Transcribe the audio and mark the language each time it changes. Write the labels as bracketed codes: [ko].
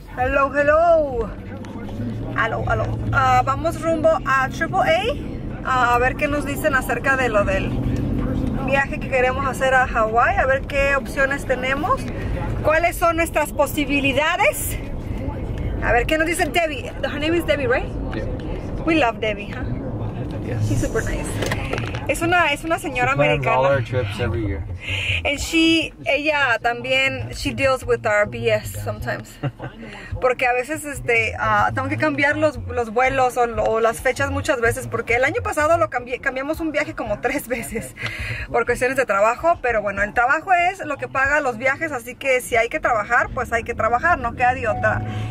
[en] Hello, hello. Hello, hello. [es] Vamos rumbo a AAA. A ver qué nos dicen acerca de lo del viaje que queremos hacer a Hawái. A ver qué opciones tenemos. ¿Cuáles son nuestras posibilidades? A ver, ¿qué nos dicen Debbie? [en] Her name is Debbie, right? Yeah. We love Debbie, huh? Yes. She's super nice. [es] Es una señora [en] she [es] americana. [en] All our trips every year. And she, [es] ella también, [en] she deals with our BS sometimes. [es] Porque a veces tengo que cambiar los vuelos o las fechas muchas veces. Porque el año pasado lo cambiamos un viaje como 3 veces por cuestiones de trabajo. Pero bueno, el trabajo es lo que paga los viajes. Así que si hay que trabajar, pues hay que trabajar. No queda de otra.